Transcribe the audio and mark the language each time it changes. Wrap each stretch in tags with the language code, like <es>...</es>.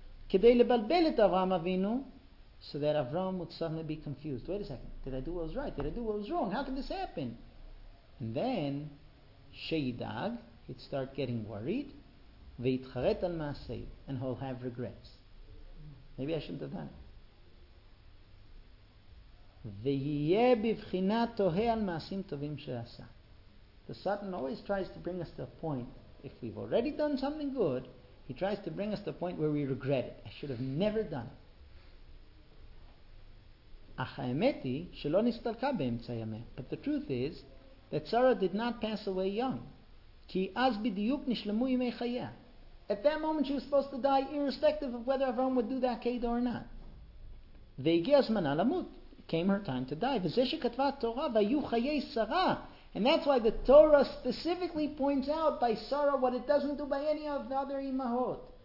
<he>כדי לבלבל את אברהם אבינו,</he> <en>so that Avram would suddenly be confused. Wait a second, did I do what was right? Did I do what was wrong? How could this happen? And then,</en> <he>שידאג,</he> <en>he'd start getting worried,</en> <he>ויתחרט על מעשה,</he> <en>and he'll have regrets. Maybe I shouldn't have done it.</en> <he>ויהיה בבחינה תוהה על מעשים טובים שעשה.</he> <en>The Satan always tries to bring us to a point, if we've already done something good, he tries to bring us to a point where we regret it. I should have never done it.</en> <he>אך האמת היא שלא נסתלקה באמצע ימי.</he> <en>But the truth is that Sarah did not pass away young.</en> <he>כי אז בדיוק נשלמו ימי חייה.</he> <en>At that moment she was supposed to die irrespective of whether Avram would do the Akedah or not.</en> <he>והגיע הזמנה למות.</he> <en>came her time to die.</en> <he>V'zeshe katva Torah v'yu chayei Sarah.</he> <en>And that's why the Torah specifically points out by Sarah what it doesn't do by any of the other imahot.</en>